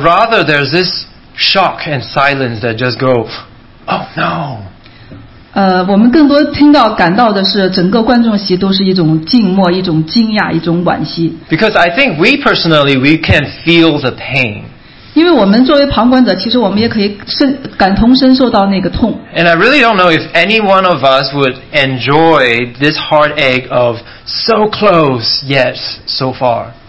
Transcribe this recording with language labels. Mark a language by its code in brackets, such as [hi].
[en] rather there's this shock and silence that just go, oh no. [zh] 我们更多听到感到的是整个观众席都是一种静默，一种惊讶，一种惋惜。 [en] Because I think we personally we can feel the pain. [zh] 因为我们作为旁观者，其实我们也可以感同身受到那个痛。 [en] And I really don't know if any one of us would enjoy this heartache of so close yet so far.